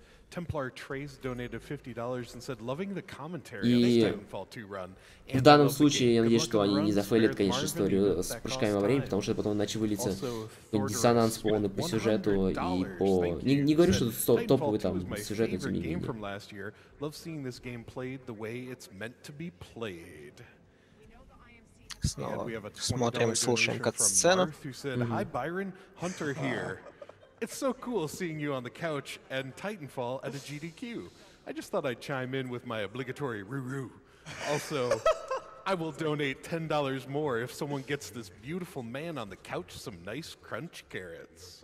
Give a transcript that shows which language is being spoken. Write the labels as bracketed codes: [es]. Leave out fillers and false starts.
[en] Templar Trace donated $50 and said loving the commentary on Titanfall 2 run. [ru] В данном случае я надеюсь, что они не зафейлят, конечно, историю с прыжками во времени, потому что потом иначе вылится диссонанс полный по сюжету и по... Не говорю, что тут топовый там сюжет, но тем не менее. [en] Love seeing this game played the way it's meant to be played. [ru] Снова смотрим, слушаем катсцену. [en] Hi Byron, Hunter here. It's so cool seeing you on the couch and Titanfall at a GDQ. I just thought I'd chime in with my obligatory ru-ru. Also, I will donate $10 more if someone gets this beautiful man on the couch some nice crunch carrots.